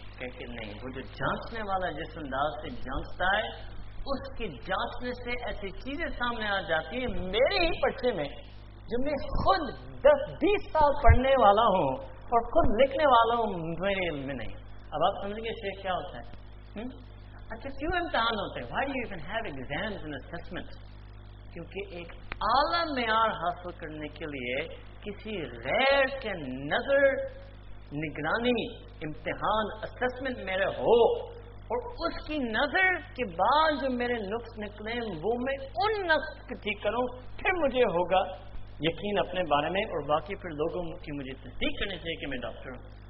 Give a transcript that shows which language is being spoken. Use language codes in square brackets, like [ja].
[ur] کہتے نہیں, وہ جو جانچنے والا جس انداز سے جانچتا ہے, اس کے جانچنے سے ایسی چیزیں سامنے آ جاتی ہیں میرے ہی پرچے میں, جو میں خود 10-20 سال پڑھنے والا ہوں اور خود لکھنے والا ہوں, میرے علم میں نہیں. اب آپ سمجھ گئے شیخ کیا ہوتا ہے. اچھا, کیوں امتحان ہوتے ہیں؟ [en] Why do you even have exams and assessments? [ur] کیونکہ ایک اعلی معیار حاصل کرنے کے لیے کسی غیر کے نظر نگرانی امتحان اسسمنٹ میرے ہو, اور اس کی نظر کے بعد جو میرے نقص نکلے وہ میں ان نقص کو ٹھیک کروں, پھر مجھے ہوگا یقین اپنے بارے میں اور باقی پھر لوگوں کی مجھے تصدیق کرنی چاہیے کہ میں ڈاکٹر ہوں.